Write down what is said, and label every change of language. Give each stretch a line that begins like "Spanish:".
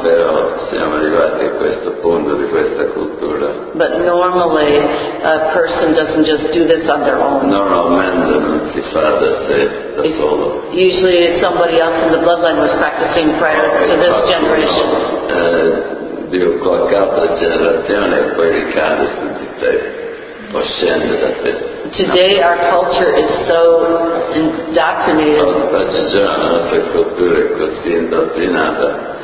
Italian: Però siamo arrivati a questo punto di questa cultura.
English: But normally, a person doesn't just do this on their own.
Italian: Normalmente non si fa da sé, da solo.
English: Usually, somebody else in the bloodline was practicing prior to this generation.
Italian: Di qualche altra generazione poi ricade su di te.
English: Today our culture is so indoctrinated.
Italian: Oggigiorno la nostra cultura è così indottrinata.